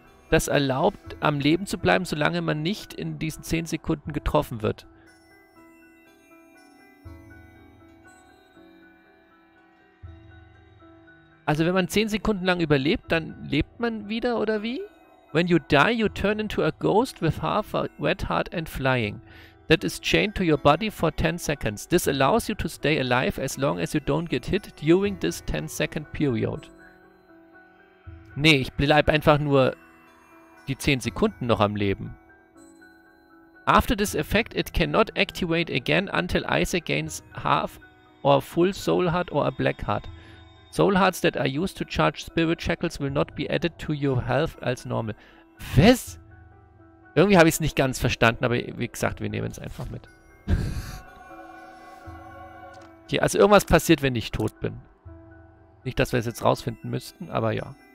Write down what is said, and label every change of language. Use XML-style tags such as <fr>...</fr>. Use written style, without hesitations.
<de>Das erlaubt, am Leben zu bleiben, solange man nicht in diesen 10 Sekunden getroffen wird. Also wenn man 10 Sekunden lang überlebt, dann lebt man wieder, oder wie?</de> <en>When you die, you turn into a ghost with half a wet heart and flying. That is chained to your body for 10 seconds. This allows you to stay alive as long as you don't get hit during this 10-second period.</en> <de>Nee, ich bleib einfach nur die 10 Sekunden noch am Leben.</de> <en>After this effect, it cannot activate again until Isaac gains half or full soul heart or a black heart. Soul Hearts that are used to charge Spirit Shackles will not be added to your health as normal.</en> <de>Was? Irgendwie habe ich es nicht ganz verstanden, aber wie gesagt, wir nehmen es einfach mit. Okay, also irgendwas passiert, wenn ich tot bin. Nicht, dass wir es jetzt rausfinden müssten, aber ja.</de>